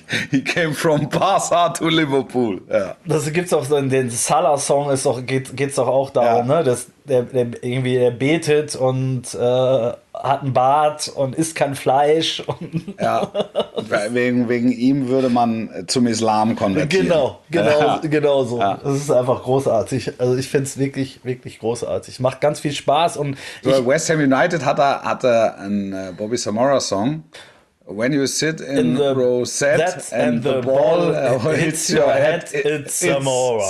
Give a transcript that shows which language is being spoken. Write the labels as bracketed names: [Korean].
[English] He came from Barca to Liverpool. [German] Ja. Das gibt's auch so in den Salah-Song, geht's doch auch darum, ne? Dass der betet und hat einen Bart und isst kein Fleisch. Und ja, wegen ihm würde man zum Islam konvertieren. Genau so. Ja. Das ist einfach großartig. Also ich finde es wirklich, wirklich großartig. Macht ganz viel Spaß. Und West Ham United hatte einen Bobby Samora-Song. [English] When you sit in the rosette and the ball hits your head, it's Zamora.